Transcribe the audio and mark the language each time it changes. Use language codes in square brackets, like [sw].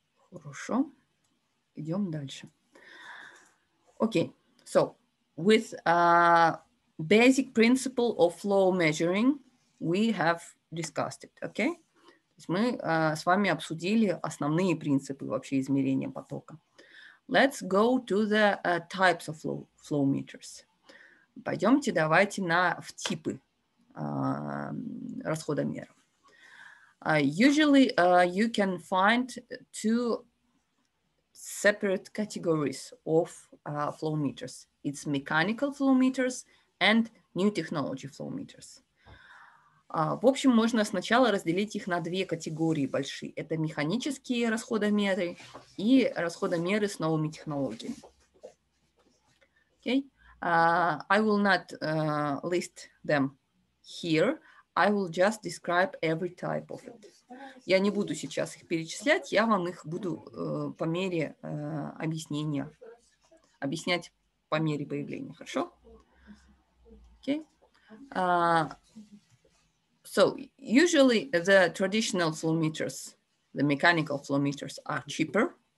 [ru] Хорошо. Идем дальше. Okay. [en] So, with a basic principle of flow measuring, we have discussed it. Okay? [ru] То есть мы с вами обсудили основные принципы вообще измерения потока. [en] Let's go to the types of flow meters. [ru] Пойдемте давайте в типы расходомеров. [en] Usually you can find two separate categories of flow meters. It's mechanical flow meters and new technology flow meters. [ru] В общем, можно сначала разделить их на две категории большие. Это механические расходомеры и расходомеры с новыми технологиями. [en] Okay. I will not list them here. I will just describe every type of it. [ru] Я не буду сейчас их перечислять, я вам их буду по мере объяснения, объяснять по мере появления, хорошо? [en] Okay. So, usually the traditional flow meters, the mechanical flow meters are cheaper.